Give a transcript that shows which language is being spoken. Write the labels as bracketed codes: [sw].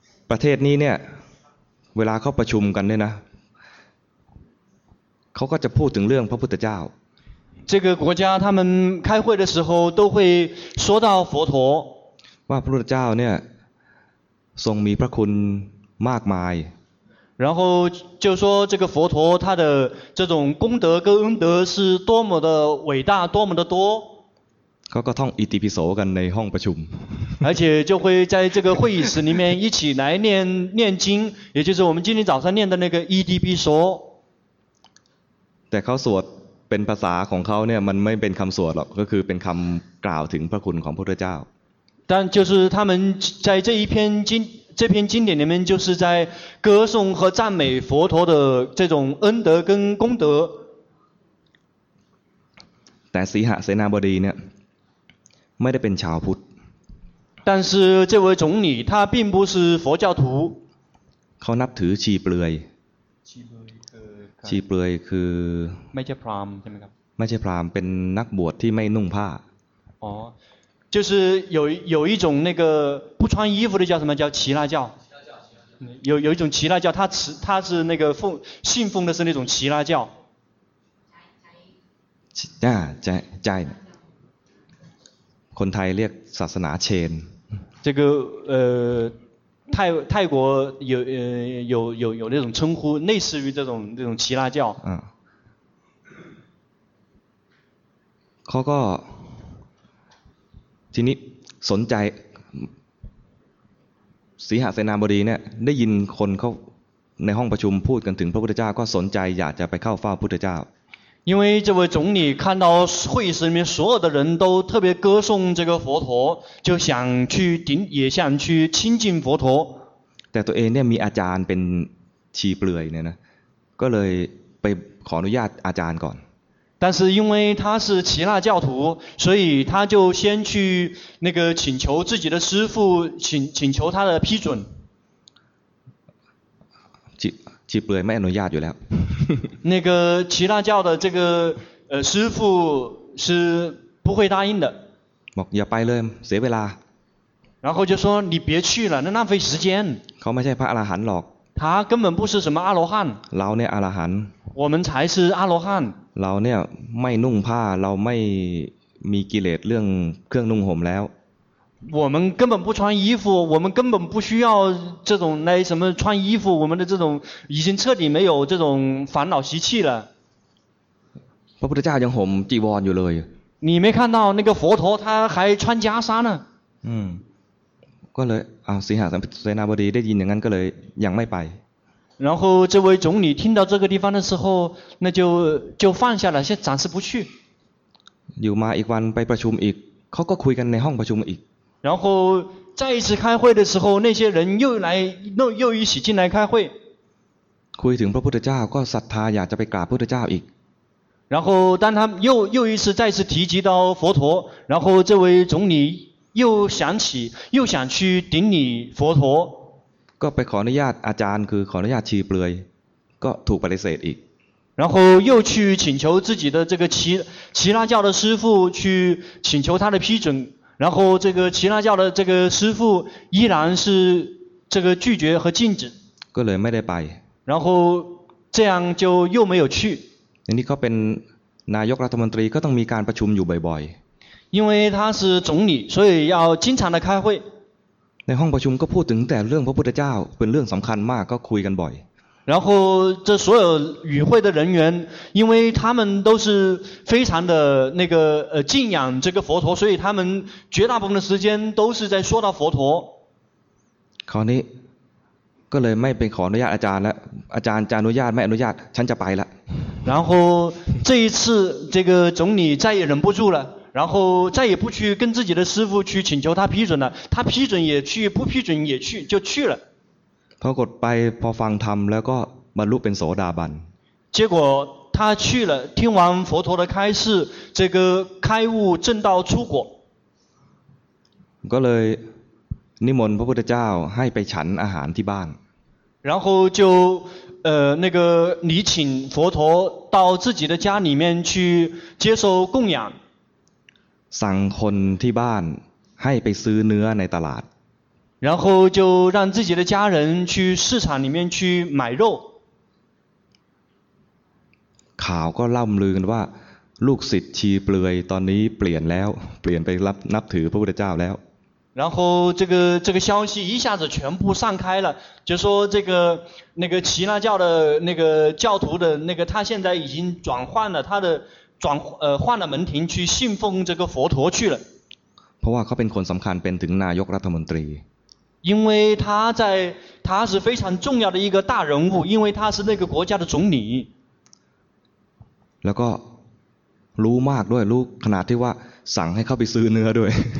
[th] ประเทศนี้เนี่ยเวลาเขาประชุมกันเนี่ยนะเขาก็จะพูดถึงเรื่องพระพุทธเจ้า [zh] 这个国家他们开会的时候都会说到佛陀 [th] ว่าพระพุทธเจ้าเนี่ยทรงมีพระคุณมากมาย [zh] 然后就说这个佛陀他的这种功德跟恩德是多么的伟大多么的多 [th] เขาก็ท่องอิติปิโสกันในห้องประชุม [zh] 而且就会在这个会议室里面一起来念经也就是我们今天早上念的那个อิติปิโส [th] แต่เขาสวดเป็นภาษาของเขาเนี่ยมันไม่เป็นคำสวดหรอกก็คือเป็นคำกล่าวถึงพระคุณของพระพุทธเจ้า [zh] 但就是他们在这篇经典里面就是在歌颂和赞美佛陀的这种恩德跟功德 [th] แต่สีหะเสนาบดีเนี่ยไม่ได้เป็นชาวพุทธ [zh] 但是这位总理他并不是佛教徒 [th] เขานับถือชีเปลือยชีเปลือยคือ ไม่ใช่พราหมณ์ใช่ไหมครับ ไม่ใช่พราหมณ์เป็นนักบวชที่ไม่นุ่งผ้า [zh] อ๋อ就是有一种那个不穿衣服的叫什么叫耆那教有一种耆那教，他是那个信奉的是那种耆那教。啊，在， [th] คนไทยเรียกศาสนาเชน。 [zh] 这个泰国有那种称呼，类似于这种耆那教。啊。 [th] เขาก็ทีนี้สนใจสีหเสนาบดีเนี่ยได้ยินคนเขาในห้องประชุมพูดกันถึงพระพุทธเจ้าก็สนใจอยากจะไปเข้าเฝ้าพระพุทธเจ้า [zh] 因为这位总理看到会议室里面所有的人都特别歌颂这个佛陀，就想去顶，也想去亲近佛陀。 [th] แต่ตัวเองเนี่ยมีอาจารย์เป็นชีเปลือยเนี่ยนะก็เลยไปขออนุญาตอาจารย์ก่อน [zh] 但是因为他是耆那教徒，所以他就先去那个请求自己的师父，请求他的批准。耆那教没 [th] อนุญาตอยู่แล้ว。 [zh] 那个耆那教的这个师父是不会答应的。 [th] บอกอย่าไปเลยเสียเวลา。 [zh] 然后就说你别去了，那浪费时间。 [th] เขาไม่ใช่พระอรหันต์หรอก。 [zh] 他根本不是什么阿罗汉。 [th] เราเนี่ยอรหันต์。 [zh] 我们才是阿罗汉。 [th] เราเนี่ยไม่นุ่งผ้าเราไม่มีกิเลสเรื่องเครื่องนุ่งห่มแล้ว [zh] 我们根本不穿衣服我们根本不需要这种来什么穿衣服我们的这种已经彻底没有这种烦恼习气了 [th] พระพุทธเจ้ายังห่มจีวรอยู่เลย [zh] 你没看到那个佛陀他还穿袈裟呢 [th] ก็เลยสิงหาสัมภิณาบดีได้ยินอย่างนั้นก็เลยยังไม่ไป [zh] 然后这位总理听到这个地方的时候那就放下了先暂时不去 [th] อยู่มาอีกวันไปประชุมอีกเขาก็คุยกันในห้องประชุมอีก [zh] 然后再一次开会的时候那些人又一起进来开会 [th] คุยถึงพระพุทธเจ้าก็ศรัทธาอยากจะไปกราบพระพุทธเจ้าอีก [zh] 然后当他又一次再次提及到佛陀然后这位总理又想去顶礼佛陀 [th] ก็ไปขออนุญาตอาจารย์คือขออนุญาตชีเปลือยก็ถูกปฏิเสธอีก [zh] 然后又去请求自己的这个耆那教的师父去请求他的批准然后这个耆那教的这个师父依然是这个拒绝和禁止 [th] ก็เลยไม่ได้ไป [zh] 然后这样就又没有去 [th] นี่เขาเป็นนายกรัฐมนตรีก็ต้องมีการประชุมอยู่บ่อย [zh] ๆ因为他是总理所以要经常的开会 [th] ในห้องประชุมก็พูดถึงแต่เรื่องพระพุทธเจ้าเป็นเรื่องสำคัญมากก็คุยกันบ่อย [zh] 然后这所有与会的人员因为他们都是非常的那个敬仰这个佛陀所以他们绝大部分的时间都是在说到佛陀 [th] คราวนี้ก็เลยไม่เป็นขออนุญาตอาจารย์แล้วอาจารย์จะอนุญาตไม่อนุญาตฉันจะไปละ [zh] 然后这一次这个总理再也忍不住了然后再也不去跟自己的师父去请求他批准了他批准也去不批准也去就去了 [th] พอกดไปพอฟังธรรมแล้วก็บรรลุเป็นโสดาบัน [zh] 结果他去了听完佛陀的开示这个开悟正道出果 [th] ก็เลยนิมนต์พระพุทธเจ้าให้ไปฉันอาหารที่บ้าน [zh] 然后就那个礼请佛陀到自己的家里面去接受供养 [th] สั่งคนที่บ้านให้ไปซื้อเนื้อในตลาด [zh] 然后就让自己的家人去市场里面去买肉 [th] ข่าวก็ล่ำลือกันว่าลูกศิษย์ชีเปลือยตอนนี้เปลี่ยนแล้วเปลี่ยนไปรับนับถือพระพุทธเจ้าแล้ว [zh] 然后这个消息一下子全部散开了就说这个那个耆那教的那个教徒的那个他现在已经转换了他的转换了门庭去信奉这个佛陀去了因为他是非常重要的一个大人物因为他是那个国家的总理 [th] แล้วก็รู้มากด้วยรู้ขนาดที่ว่าสั่งให้เข้าไปซื้อเนื้อด้วย